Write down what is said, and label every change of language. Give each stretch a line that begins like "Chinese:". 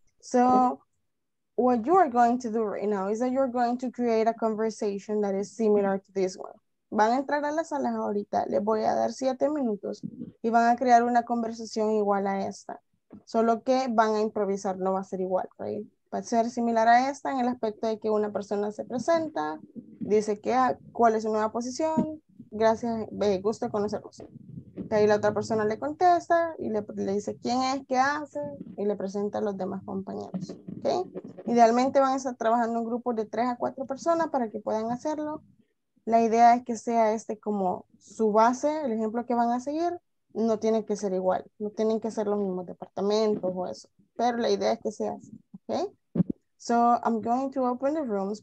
English: So, what you are going to do right now is that you are going to create a conversation that is similar to this one.
Spanish: Van a entrar a la sala ahorita, les voy a dar 7 minutos y van a crear una conversación igual a esta, solo que van a improvisar, no va a ser igual, ¿right? Va a ser similar a esta en el aspecto de que una persona se presenta, dice que, ah, cuál es su nueva posición, gracias, me gusta conocerlos. Ahí la otra persona le contesta y le dice quién es, qué hace y le presenta a los demás compañeros. ¿Okay? Idealmente van a estar trabajando en grupos de 3 a 4 personas para que puedan hacerlo. La idea es que sea este como su base, el ejemplo que van a seguir, no tiene que ser igual, no tienen que ser los mismos departamentos o eso, pero la idea es que sea así.
English: Okay, so I'm going to open the rooms.